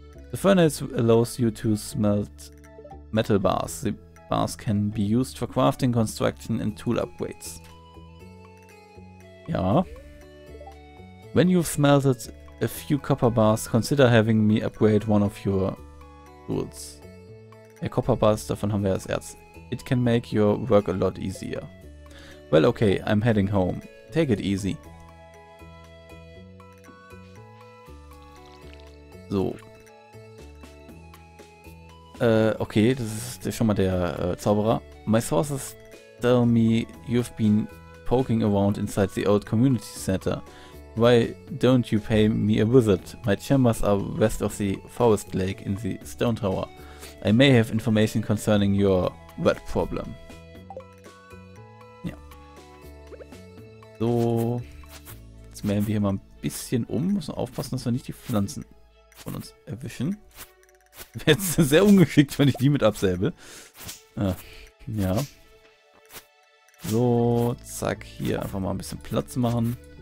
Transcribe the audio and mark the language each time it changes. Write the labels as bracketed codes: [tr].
[en] The furnace allows you to smelt metal bars. The bars can be used for crafting, construction and tool upgrades. Ja. When you've smelted a few copper bars, consider having me upgrade one of your tools. [de] Ja, [en] copper bars, [de] davon haben wir das Erz. [en] It can make your work a lot easier. Well, okay, I'm heading home. Take it easy. [de] So. Okay, das ist schon mal der Zauberer. [en] My sources tell me you've been poking around inside the old community center. Why don't you pay me a visit? My chambers are west of the forest lake in the stone tower. I may have information concerning your rat problem. [de] Ja. So. Jetzt melden wir hier mal ein bisschen um. Müssen aufpassen, dass wir nicht die Pflanzen von uns erwischen. Wäre jetzt sehr ungeschickt, wenn ich die mit absäbe. Ja. So, zack, hier einfach mal ein bisschen Platz machen.